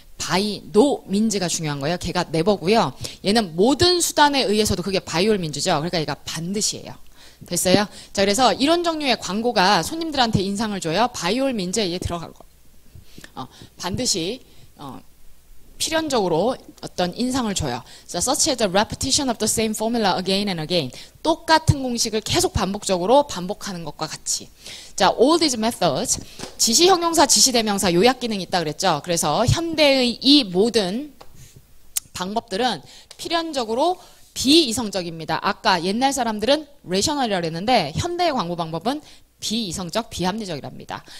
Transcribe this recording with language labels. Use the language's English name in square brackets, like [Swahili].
[Korean] 바이 노 민즈가 중요한 거예요. 걔가 네버고요. 얘는 모든 수단에 의해서도 그게 바이올 민즈죠. 그러니까 얘가 반드시예요. 됐어요? 자, 그래서 이런 종류의 광고가 손님들한테 인상을 줘요. 바이올 민즈에 얘 들어갈 거예요. 반드시 필연적으로 어떤 인상을 줘요. [English] So such as a repetition of the same formula again and again. [Korean] 똑같은 공식을 계속 반복적으로 반복하는 것과 같이. [English] 자, all these methods. [Korean] 지시 형용사, 지시 대명사 요약 기능이 있다 그랬죠. 그래서 현대의 이 모든 방법들은 필연적으로 비이성적입니다. 아까 옛날 사람들은 rational이라고 했는데 현대의 광고 방법은 비이성적, 비합리적이랍니다.